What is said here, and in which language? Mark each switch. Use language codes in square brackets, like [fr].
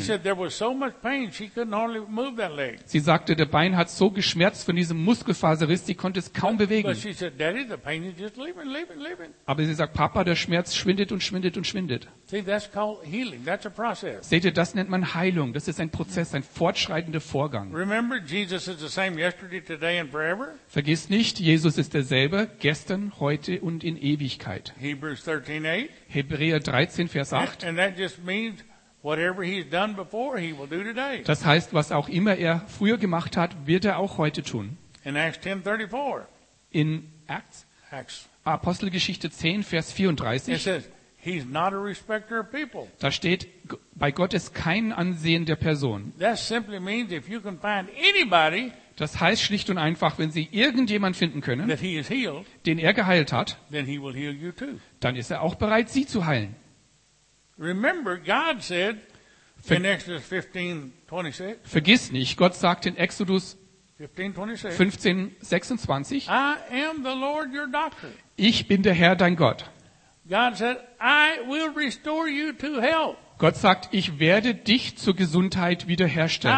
[en] She said there was so much pain, she couldn't hardly move that leg. [de] Sie sagte, der Bein hat so geschmerzt von diesem Muskelfaserriss, sie konnte es kaum bewegen. [en] But she said, Daddy, the pain is just leaving, leaving, leaving. [de] Aber sie sagt, Papa, der Schmerz schwindet und schwindet und schwindet. [en] See, that's called healing. That's a process. [de] Seht ihr, das nennt man Heilung. Das ist ein Prozess, ein fortschreitender Vorgang. [en] Remember, Jesus is the same yesterday, today and forever. [de] Vergiss nicht, Jesus ist derselbe, gestern, heute und in Ewigkeit. [en] Hebrews 13:8. [de] Hebräer 13, Vers 8. [en] And that just means whatever he's done before, he will do today. [de] Das heißt, was auch immer er früher gemacht hat, wird er auch heute tun. [en] In Acts 10:34. [de] In Acts. Apostelgeschichte 10, Vers 34. [en] It says, he's not a respecter of people. [de] Da steht, bei Gott ist kein Ansehen der Person. [en] That simply means if you can find anybody. [de] Das heißt schlicht und einfach, wenn Sie irgendjemanden finden können, [en] that he is healed, [de] den er geheilt hat, [en] then he will heal you too. [de] Dann ist er auch bereit, Sie zu heilen. [en] Remember, God said in Exodus 15:26. [de] Vergiss nicht, Gott sagt in Exodus 15:26. [en] I am the Lord your doctor. [de] Ich bin der Herr dein Gott. [en] God said, I will restore you to health. [de] Gott sagt, ich werde dich zur Gesundheit wiederherstellen.